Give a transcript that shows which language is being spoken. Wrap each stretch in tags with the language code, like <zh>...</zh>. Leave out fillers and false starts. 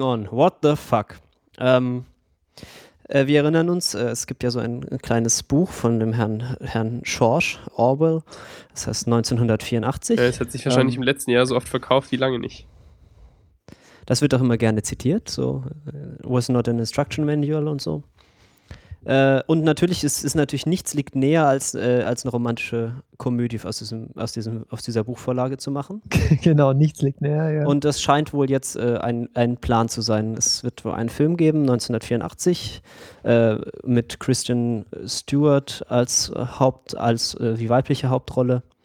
<en>What the fuck?</en> <de>Wir erinnern uns, es gibt ja so ein kleines Buch von dem Herrn George Orwell. Das heißt 1984. Es hat sich wahrscheinlich im letzten Jahr so oft verkauft, wie lange nicht. Das wird auch immer gerne zitiert.</de> <en>So, was not an instruction manual</en> <de>und so. Und natürlich ist natürlich nichts liegt näher als eine romantische Komödie aus dieser Buchvorlage zu machen. Genau, nichts liegt näher, ja. Und das scheint wohl jetzt ein Plan zu sein. Es wird wohl einen Film geben, 1984, mit Kristen Stewart als weibliche Hauptrolle.</de>